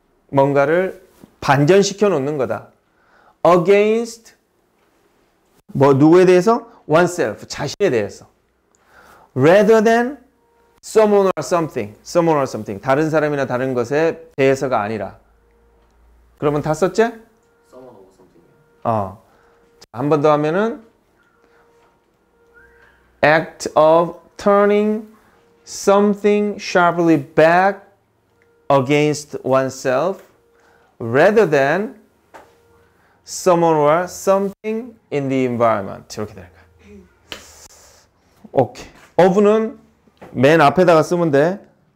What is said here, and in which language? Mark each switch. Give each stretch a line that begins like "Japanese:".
Korean: 뭔가를 반전시켜 놓는 거다.
English: Against
Korean: 뭐 누구에 대해서?
English: Oneself.
Korean: 자신에 대해서.
English: Rather than someone or something. Someone or something.
Korean: 다른 사람이나 다른 것에 대해서가 아니라. 그러면 다 썼지?
English: Someone or something.
Korean: 한 번 더 하면은
English: act of turning something sharply back against oneself rather than someone or something in the environment.
Korean: 이렇게 되는 거야. 오케이. of는 맨 앞에다가 쓰면 돼.